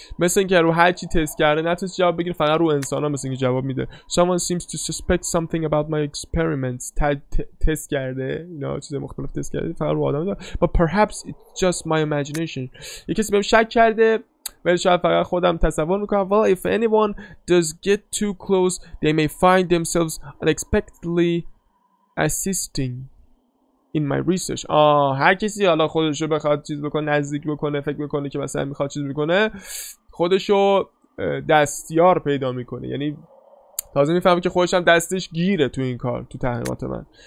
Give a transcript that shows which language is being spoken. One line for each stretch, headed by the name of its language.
Persian: مثل اینکه رو هر چی تست کرده نتونست جواب بگیره، فقط رو انسان ها مثل اینکه جواب میده.
English: Someone seems to suspect something about my experiments.
Persian: تست کرده اینا چیز مختلف تست کرده، فقط رو آدم میده.
English: But perhaps it's just my imagination.
Persian: یه کسی بهم شک کرده ولی شاید فقط خودم تصور میکنم.
English: Well, if anyone does get too close, they may find themselves unexpectedly assisting in my research.
Persian: هر کسی حالا خودش رو بخواد چیز بکنه، نزدیک بکنه، فکر بکنه که مثلا میخواد چیز بکنه، خودش رو دستیار پیدا میکنه. یعنی تازه میفهمه که خودش هم دستش گیره تو این کار، تو تحقیقات من.